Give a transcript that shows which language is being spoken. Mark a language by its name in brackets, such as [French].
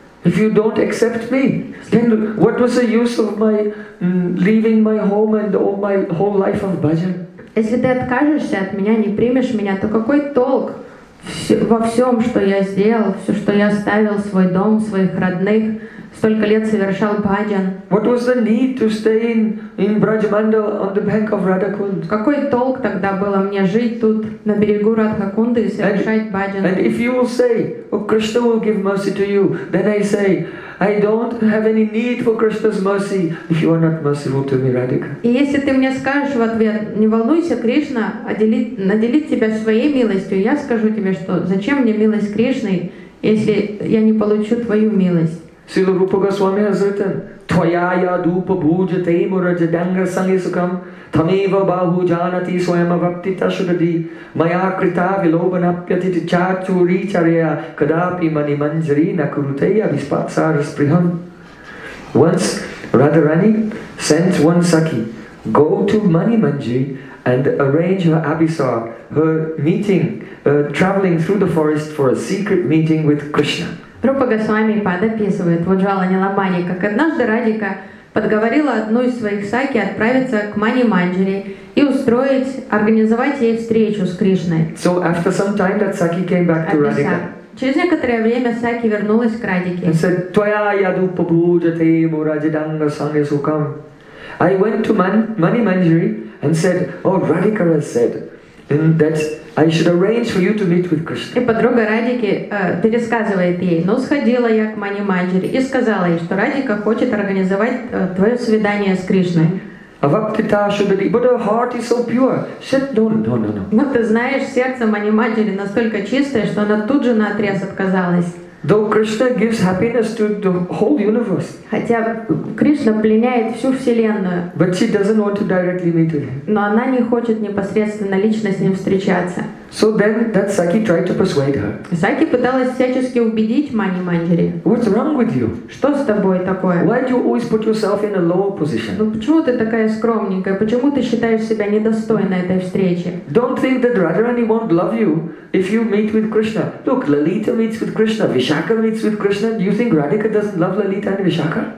[English] If you don't accept me, then what was the use of my leaving my home and all my whole life of bhajan? [Russian] Если ты откажешься от меня, не примешь меня, то какой толк во всем, что я сделал, все, что я оставил, свой дом, своих родных, столько лет совершал бхаджан. [English] What was the need to stay in Brajmandal on the bank of Radhakund? [Russian] Какой толк тогда было мне жить тут на берегу Радхакунды и совершать бхаджан? [English] And if you will say, "Oh, Krishna will give mercy to you," then I say, I don't have any need for Krishna's mercy if you are not merciful to me, Radhika. [Russian] И если ты мне скажешь в ответ, не волнуйся, Кришна наделит тебя своей милостью, я скажу тебе, что зачем мне милость Кришны, если я не получу твою милость. [English] Srila Rupa Goswami has written, [Sanskrit] Твоя я дупа буджате мураджа данга санги сукам тамива баху джанати своема ваптита шудади моя крита вилоба напьяти чачу ричарья кадапи мани манджари накрутая виспаксар сприхам. [English] Once Radharani sent one Sakhi, go to Mani Manjari and arrange her abhisar, her meeting, traveling through the forest for a secret meeting with Krishna. [Russian] Рупа Госвами подописывает в Уджвала Ниламани, как однажды Радика подговорила одну из своих сакхи отправиться к Мани Манджари и организовать ей встречу с Кришной. [English] So after some time that Sakhi came back to Radhika. [Russian] Через некоторое время Сакхи вернулась к Радике. [English] And said, [Sanskrit] Твоя яду побуджате му Раджиданга санге сукам. [English] I went to Mani Manjari and said, Oh, Radhika has said that I should arrange for you to meet with Krishna. [Russian] И подруга Радики пересказывает ей, ну сходила я к Мани Манджари и сказала ей, что Радика хочет организовать твое свидание с Кришной. [Sanskrit] Avaptita Shudhari, [English] but her heart is so pure. She said, no. [Russian] Но ты знаешь, сердце Мани Манджари настолько чистое, что она тут же наотрез отказалась. [English] Though Krishna gives happiness to the whole universe. [Russian] Хотя Кришна пленяет всю вселенную. [English] But she doesn't want to directly meet with him. [Russian] Но она не хочет непосредственно лично с ним встречаться. [English] So then that Sakhi tried to persuade her. [Russian] Сакхи пыталась всячески убедить Мани Манджари. [English] What's wrong with you? [Russian] Что с тобой такое? [English] Why do you always put yourself in a lower position? [Russian] Ну почему ты такая скромненькая? Почему ты считаешь себя недостойной этой встречи? [English] Don't think that Radharani won't love you if you meet with Krishna. Look, Lalita meets with Krishna, Vishakha meets with Krishna. Do you think Radhika doesn't love Lalita and Vishakha?